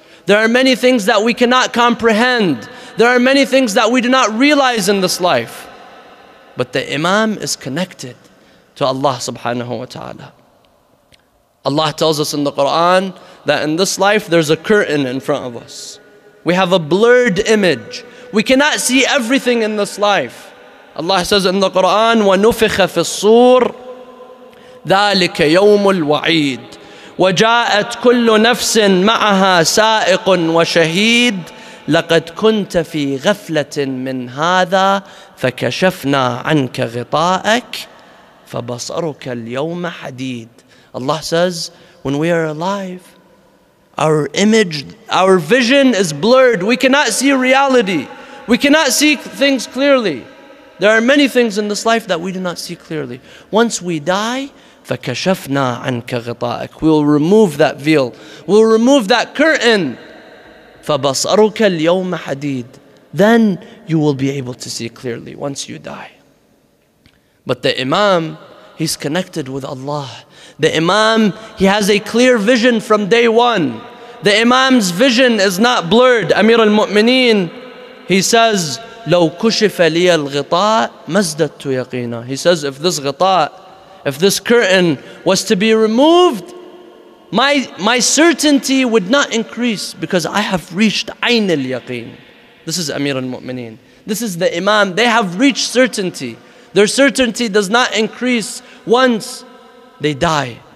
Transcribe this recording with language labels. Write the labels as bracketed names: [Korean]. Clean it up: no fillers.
[English] There are many things that we cannot comprehend. There are many things that we do not realize in this life. But the Imam is connected to Allah subhanahu wa ta'ala. Allah tells us in the Quran that in this life there's a curtain in front of us. We have a blurred image. We cannot see everything in this life. Allah says in the Quran, [Arabic] وَنُفِخَ فِي الصُّورِ ذلك يوم الوعيد وجاءت كل نفس معها سائق وشهيد لقد كنت في غفلة من هذا فكشفنا عنك غطائك فبصرك اليوم حديد. [English] Allah says, when we are alive, our image, our vision is blurred. We cannot see reality. We cannot see things clearly. There are many things in this life that we do not see clearly. Once we die, [Arabic] فَكَشَفْنَا عَنْكَ غِطَائِكَ. [English] We'll remove that veil. We'll remove that curtain. [Arabic] فَبَصَرُكَ الْيَوْمَ حَدِيدٌ. [English] Then you will be able to see clearly once you die. But the Imam, he's connected with Allah. The Imam, he has a clear vision from day one. The Imam's vision is not blurred. Amir al-Mu'mineen, he says, [Arabic] لَوْ كُشِفَ لِيَ الْغِطَاءِ مَزْدَدْتُ يَقِينًا. [English] He says, if this غِطَاءِ, if this curtain was to be removed, my certainty would not increase because I have reached Ayn al-Yaqeen. This is Amir al-Mu'mineen. This is the Imam. They have reached certainty. Their certainty does not increase once they die.